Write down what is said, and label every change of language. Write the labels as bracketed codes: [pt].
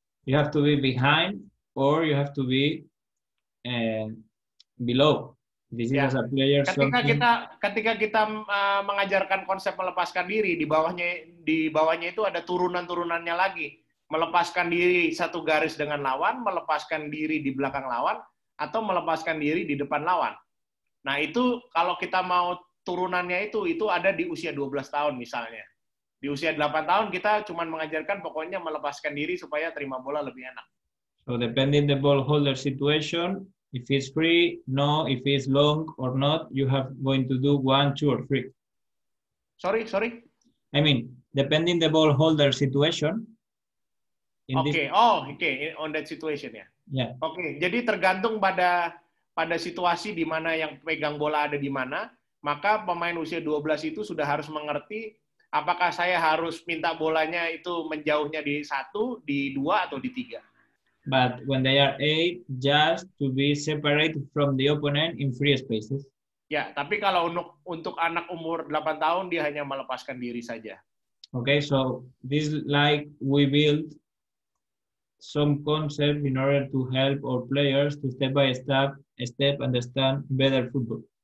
[en] You have to be behind or you have to be below. This is as a player. [id] Ketika kita mengajarkan konsep melepaskan diri, di bawahnya itu ada turunan-turunannya lagi. Melepaskan diri satu garis dengan lawan, melepaskan diri di belakang lawan, atau melepaskan diri di depan lawan. Nah, itu kalau kita mau turunannya itu ada di usia 12 tahun misalnya. Di usia 8 tahun kita cuma mengajarkan pokoknya melepaskan diri supaya terima bola lebih enak. [en] So depending the ball holder situation, if it's free, no, if it's long or not, you have going to do 1, 2, or 3. Sorry. I mean, depending the ball holder situation. On that situation ya. Yeah. [id] Okay, jadi tergantung pada situasi di mana yang pegang bola ada di mana, maka pemain usia 12 itu sudah harus mengerti apakah saya harus minta bolanya itu menjauhnya di 1, di 2, atau di 3. [en] But when they are eight, just to be separated from the opponent in free spaces. [id] Ya, tapi kalau untuk anak umur 8 tahun, dia hanya melepaskan diri saja. [en] Okay, so this like we build some concept in order to help our players to step by step, step understand better football.